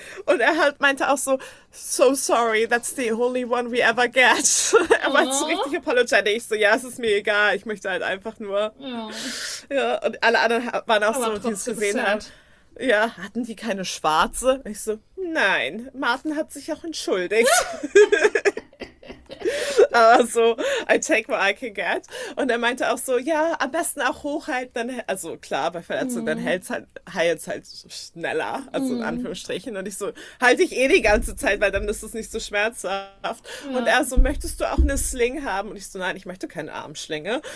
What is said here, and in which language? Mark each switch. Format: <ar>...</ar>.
<de>Und er halt meinte auch so,</de> <en>so sorry, that's the only one we ever get.</en> <de>Er war so richtig apologetic. Ich so, ja, es ist mir egal, ich möchte halt einfach nur. Ja. Ja, und alle anderen waren auch aber so, die es gesehen haben. Ja, hatten die keine schwarze? Ich so, nein, Martin hat sich auch entschuldigt. Aber so,</de> <en>I take what I can get.</en> <de>Und er meinte auch so, ja, am besten auch hochhalten. Dann, also klar, bei Verletzung, dann heilt es halt schneller, also in Anführungsstrichen. Und ich so, halte ich eh die ganze Zeit, weil dann ist es nicht so schmerzhaft. Ja. Und er so, möchtest du auch eine Sling haben? Und ich so, nein, ich möchte keine Armschlinge.</de>